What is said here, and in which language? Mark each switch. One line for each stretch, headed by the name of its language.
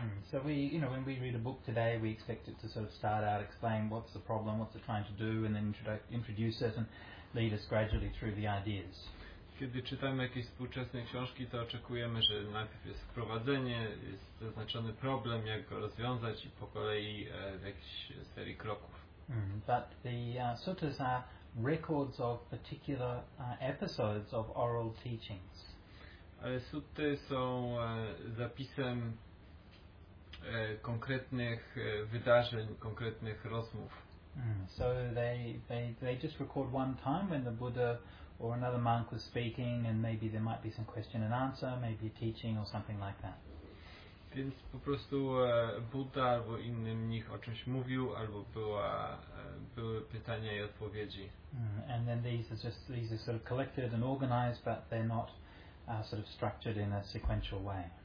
English: So we, you know, when we read a book today, we expect it to sort of start out, explain what's the problem, what's it trying to do, and then introduce it and lead us gradually through the ideas.
Polish: Kiedy czytamy jakieś współczesne książki, to oczekujemy, że najpierw jest wprowadzenie, jest zaznaczony problem, jak go rozwiązać i po kolei w jakiejś serii kroków.
English: But the suttas are records of particular episodes of oral teachings.
Polish: Ale sutty są zapisem konkretnych wydarzeń, konkretnych rozmów.
English: So they just record one time when the Buddha or another monk was speaking, and maybe there might be some question and answer, maybe a teaching or something like that.
Polish: Więc po prostu Buddha albo inny mnich o czymś mówił, albo były pytania i odpowiedzi.
English: And then these are sort of collected and organized, but they're not sort of structured in a sequential way.